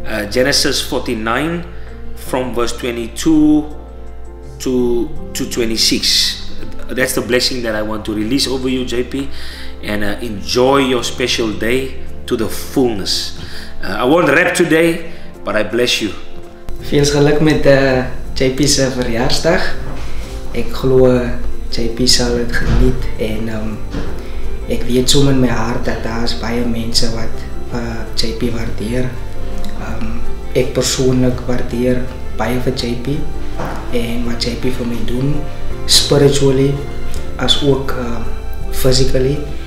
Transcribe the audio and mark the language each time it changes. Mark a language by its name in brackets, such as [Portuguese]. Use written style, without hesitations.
[English] Genesis 49 from verse 22 to 26. That's the blessing that I want to release over you, JP. And enjoy your special day to the fullness. I won't rap today, but I bless you. [Afrikaans] Veel geluk met JP se verjaarsdag. Ek glo JP sal dit geniet. En ek weet so in my hart dat daar is baie mense wat JP waardeer. Ek persoonlik waardeer baie vir JP. en wat JP vir my doen, [English] spiritually, [Afrikaans] as ook [English] physically.